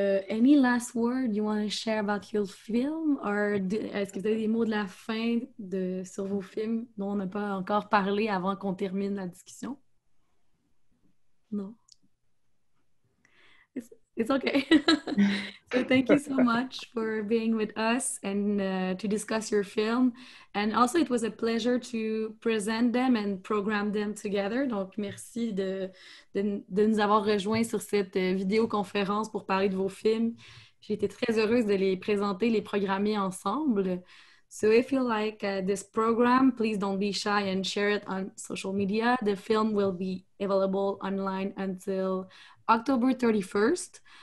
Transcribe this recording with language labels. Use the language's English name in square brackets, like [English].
[English] Any last word you want to share about your film? [French] Est-ce que vous avez des mots de la fin sur vos films dont on n'a pas encore parlé avant qu'on termine la discussion? Non? [English] It's okay. So thank you so much for being with us and to discuss your film. And also, it was a pleasure to present them and program them together. [French] Donc, merci de nous avoir rejoints sur cette vidéoconférence pour parler de vos films. J'ai été très heureuse de les présenter, les programmer ensemble. [English] So if you like this program, please don't be shy and share it on social media. The film will be available online until October 31st.